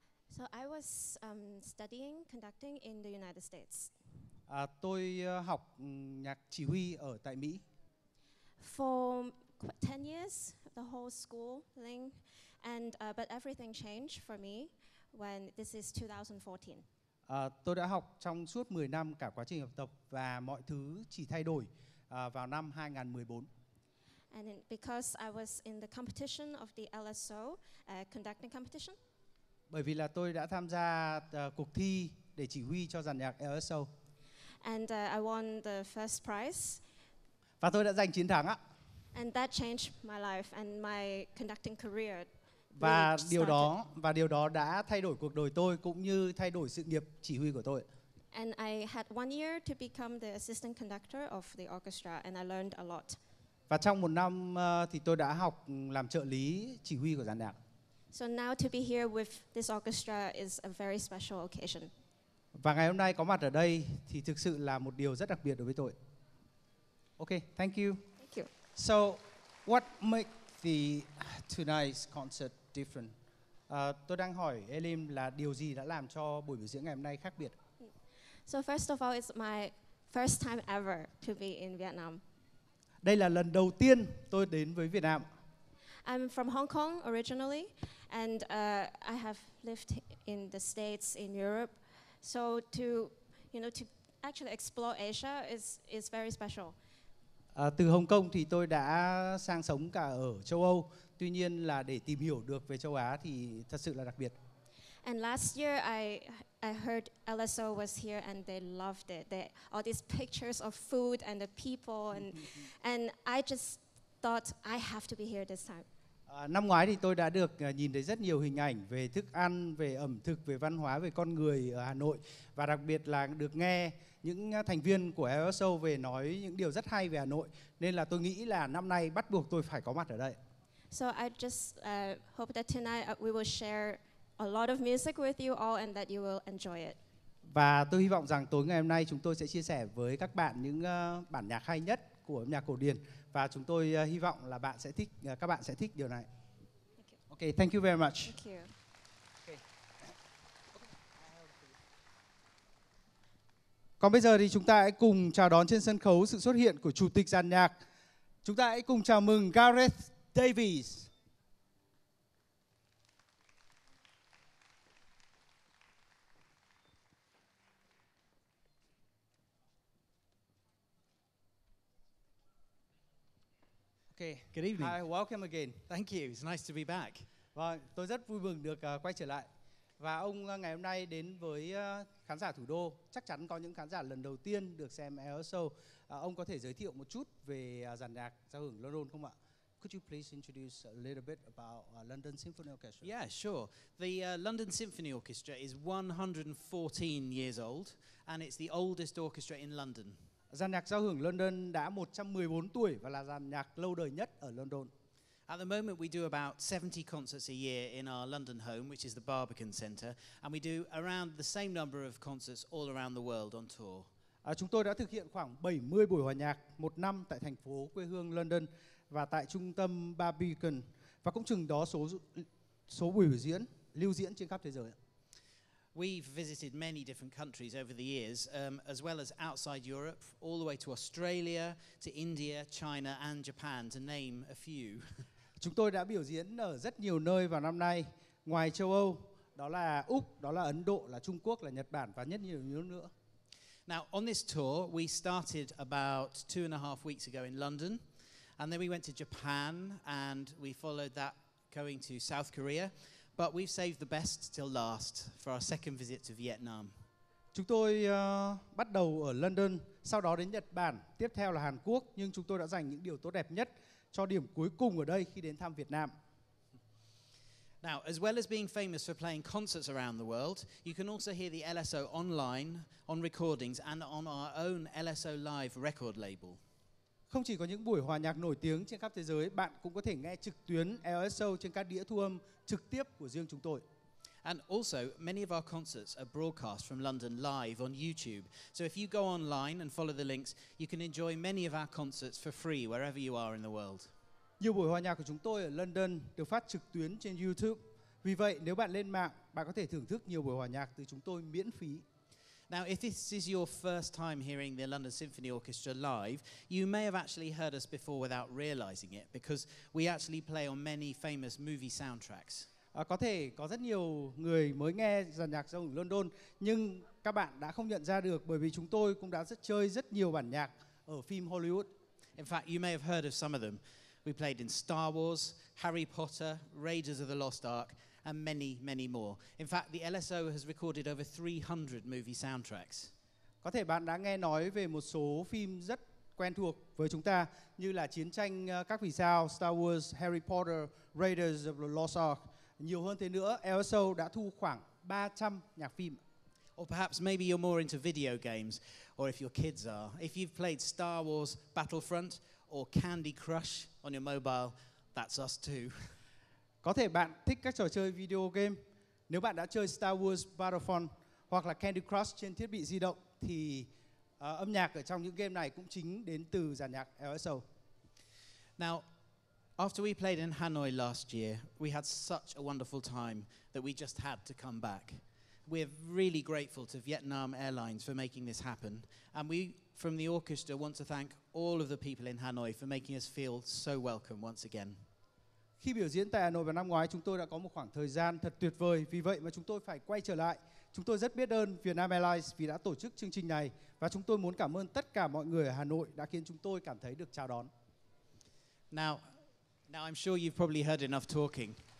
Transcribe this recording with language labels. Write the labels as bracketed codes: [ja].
[en] So I was studying conducting in the United States. [vi] Tôi học nhạc chỉ huy ở tại Mỹ. [en] For 10 years, the whole schooling, but everything changed for me when this is 2014. [vi] Tôi đã học trong suốt 10 năm cả quá trình học tập và mọi thứ chỉ thay đổi vào năm 2014. [en] And because I was in the competition of the LSO, conducting competition. [vi] Bởi vì là tôi đã tham gia cuộc thi để chỉ huy cho dàn nhạc LSO. [en] And I won the first prize. [vi] Và tôi đã giành chiến thắng ạ. [en] And that changed my life and my conducting career. [vi] Và điều đó đã thay đổi cuộc đời tôi cũng như thay đổi sự nghiệp chỉ huy của tôi. [en] And I had one year to become the assistant conductor of the orchestra and I learned a lot. [vi] Và trong một năm thì tôi đã học làm trợ lý chỉ huy của dàn nhạc. [en] So now to be here with this orchestra is a very special occasion. [vi] Và ngày hôm nay có mặt ở đây thì thực sự là một điều rất đặc biệt đối với tôi. [en] Okay, thank you. Thank you. So what makes the tonight's concert different? [vi] Tôi đang hỏi Elim là điều gì đã làm cho buổi biểu diễn ngày hôm nay khác biệt? [en] So first of all, it's my first time ever to be in Vietnam. [vi] Đây là lần đầu tiên tôi đến với Việt Nam. [en] I'm from Hong Kong originally, and I have lived in the States, in Europe. So to, you know, to actually explore Asia is very special. [vi] Từ Hồng Kông thì tôi đã sang sống cả ở châu Âu. Tuy nhiên là để tìm hiểu được về châu Á thì thật sự là đặc biệt. [en] And last year I heard LSO was here and they loved it. They all these pictures of food and the people and and I just thought I have to be here this time. [vi] Năm ngoái thì tôi đã được nhìn thấy rất nhiều hình ảnh về thức ăn, về ẩm thực, về văn hóa, về con người ở Hà Nội và đặc biệt là được nghe những thành viên của LSO về nói những điều rất hay về Hà Nội nên là tôi nghĩ là năm nay bắt buộc tôi phải có mặt ở đây. [en] So I just hope that tonight we will share a lot of music with you all and that you will enjoy it. [vi] Và tôi hy vọng rằng tối ngày hôm nay chúng tôi sẽ chia sẻ với các bạn những bản nhạc hay nhất của âm nhạc cổ điển và chúng tôi hy vọng là bạn sẽ thích các bạn sẽ thích điều này. [en] Thank you. Okay, thank you very much. Thank you. [vi] Còn bây giờ thì chúng ta hãy cùng chào đón trên sân khấu sự xuất hiện của chủ tịch dàn nhạc. Chúng ta hãy cùng chào mừng Gareth Davies. [en] Okay. Good evening. Hi, welcome again. Thank you. It's nice to be back. [vi] Vâng, tôi rất vui mừng được quay trở lại. Và ông ngày hôm nay đến với khán giả thủ đô, chắc chắn có những khán giả lần đầu tiên được xem LSO. Ông có thể giới thiệu một chút về dàn nhạc giao hưởng London không ạ? [en] Could you please introduce a little bit about London Symphony Orchestra? Yeah, sure. The London Symphony Orchestra is 114 years old and it's the oldest orchestra in London. [vi] Dàn nhạc giao hưởng London đã 114 tuổi và là dàn nhạc lâu đời nhất ở London. [en] At the moment, we do about 70 concerts a year in our London home, which is the Barbican Centre, and we do around the same number of concerts all around the world on tour. [vi] Chúng tôi đã thực hiện khoảng 70 buổi hòa nhạc một năm tại thành phố quê hương London và tại trung tâm Barbican, và cũng chừng đó số buổi biểu diễn lưu diễn trên khắp thế giới. [en] We've visited many different countries over the years, as well as outside Europe, all the way to Australia, to India, China, and Japan, to name a few. [vi] Chúng tôi đã biểu diễn ở rất nhiều nơi vào năm nay, ngoài châu Âu, đó là Úc, đó là Ấn Độ, là Trung Quốc, là Nhật Bản và rất nhiều nước nữa. [en] Now, on this tour, we started about 2.5 weeks ago in London, and then we went to Japan, and we followed that going to South Korea. But we've saved the best till last for our second visit to Vietnam. [vi] Chúng tôi bắt đầu ở London, sau đó đến Nhật Bản, tiếp theo là Hàn Quốc, nhưng chúng tôi đã dành những điều tốt đẹp nhất cho điểm cuối cùng ở đây khi đến thăm Việt Nam. [en] Now, as well as being famous for playing concerts around the world, you can also hear the LSO online on recordings and on our own LSO Live record label. [vi] Không chỉ có những buổi hòa nhạc nổi tiếng trên khắp thế giới, bạn cũng có thể nghe trực tuyến LSO trên các đĩa thu âm trực tiếp của riêng chúng tôi. [en] And also, many of our concerts are broadcast from London live on YouTube. So if you go online and follow the links, you can enjoy many of our concerts for free wherever you are in the world. [vi] Nhiều buổi hòa nhạc của chúng tôi ở London được phát trực tuyến trên YouTube. Vì vậy, nếu bạn lên mạng, bạn có thể thưởng thức nhiều buổi hòa nhạc từ chúng tôi miễn phí. [en] Now, if this is your first time hearing the London Symphony Orchestra live, you may have actually heard us before without realizing it, because we actually play on many famous movie soundtracks. [vi] Có thể có rất nhiều người mới nghe dàn nhạc giao hưởng London, nhưng các bạn đã không nhận ra được bởi vì chúng tôi cũng đã rất chơi rất nhiều bản nhạc ở phim Hollywood. [en] In fact, you may have heard of some of them. We played in Star Wars, Harry Potter, Raiders of the Lost Ark, and many, many more. In fact, the LSO has recorded over 300 movie soundtracks. [vi] Có thể bạn đã nghe nói về một số phim rất quen thuộc với chúng ta như là Chiến tranh các vì sao, Star Wars, Harry Potter, Raiders of the Lost Ark. Nhiều hơn thế nữa, LSO đã thu khoảng 300 nhạc phim. [en] Or perhaps maybe you're more into video games, or if your kids are. If you've played Star Wars Battlefront or Candy Crush on your mobile, that's us too. [vi] Có thể bạn thích các trò chơi video game. Nếu bạn đã chơi Star Wars Battlefront hoặc là Candy Crush trên thiết bị di động thì âm nhạc ở trong những game này cũng chính đến từ dàn nhạc LSO. [en] Now, after we played in Hanoi last year, we had such a wonderful time that we just had to come back. We're really grateful to Vietnam Airlines for making this happen, and we from the orchestra want to thank all of the people in Hanoi for making us feel so welcome once again. [vi] Khi biểu diễn tại Hà Nội vào năm ngoái, chúng tôi đã có một khoảng thời gian thật tuyệt vời, vì vậy mà chúng tôi phải quay trở lại. Chúng tôi rất biết ơn Vietnam Airlines vì đã tổ chức chương trình này, và chúng tôi muốn cảm ơn tất cả mọi người ở Hà Nội đã khiến chúng tôi cảm thấy được chào đón. [en] Now I'm sure you've probably heard enough talking.